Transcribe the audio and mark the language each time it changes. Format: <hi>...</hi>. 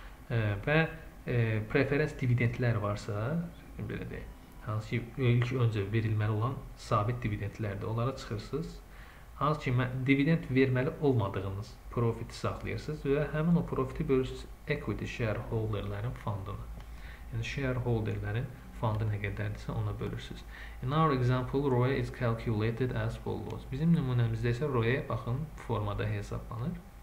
<az>Və preferans dividendlər varsa, belə deyək, hansı ki ilk öncə verilməli olan sabit dividendlərdir, onlara çıxırsınız. Hansı ki dividend verməli olmadığınız profiti saxlayırsınız və həmin o profiti bölürsünüz equity shareholderların fonduna. Yəni shareholderların fondu nə qədərdirsə ona bölürsünüz.</az> <en>In our example, ROE is calculated as follows.</en> <az>Bizim nümunəmizdə isə ROE, baxın, formada hesablanır.</az>